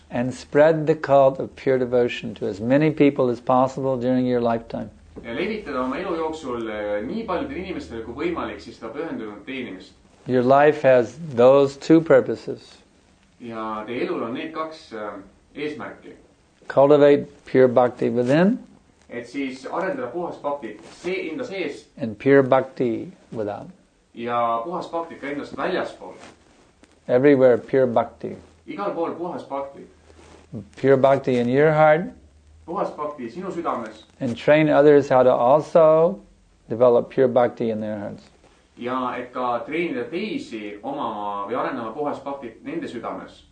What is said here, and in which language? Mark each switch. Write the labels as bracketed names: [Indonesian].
[English] and spread the cult of pure devotion to as many people as possible during your lifetime. [Estonian] Ja levitada oma elu jooksul nii paljudele inimestele kui võimalik siis seda pühendunud teenimist. [English] Your life has those two purposes. [Estonian] Ja te elul on need kaks eesmärki. [English] Cultivate pure bhakti within. [Estonian] Et siis arendada puhas bhakti see enda sees. [English] And pure bhakti without. [Estonian] Ja puhas bhakti ka endast väljaspool. [English] Everywhere pure bhakti. [Estonian] Igal pool puhas bhakti. [English] Pure bhakti in your heart. [Estonian] Puhas bhakti sinu südames. [English] And train others how to also develop pure bhakti in their hearts. [Estonian] Ja et ka treenida teisi oma või arendama puhas bhakti nende südames.